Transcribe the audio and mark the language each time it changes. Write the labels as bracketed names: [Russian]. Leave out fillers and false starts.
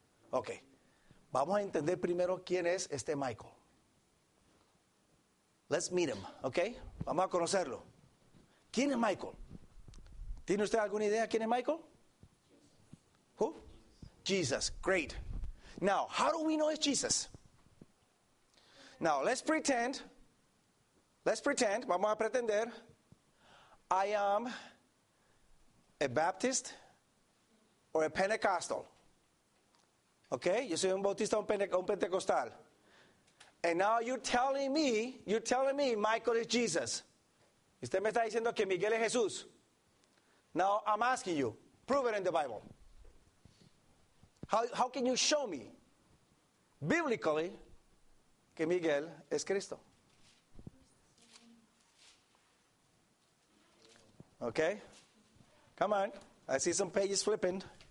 [Spanish] Ok, vamos a entender primero quién es este Michael. Let's meet him, ok, vamos a conocerlo. ¿Quién es Michael? ¿Tiene usted alguna idea quién es Michael? [English] Who? Jesus, great. Now, how do we know it's Jesus? Now, let's pretend, vamos a pretender, I am a Baptist or a Pentecostal. Okay, yo soy un bautista o un pentecostal. And now you're telling me Michael is Jesus. [Spanish] Usted me está diciendo que Miguel es Jesús. [English] Now I'm asking you, prove it in the Bible. How can you show me, biblically, que Miguel es Cristo? Okay, come on. I see some pages flipping.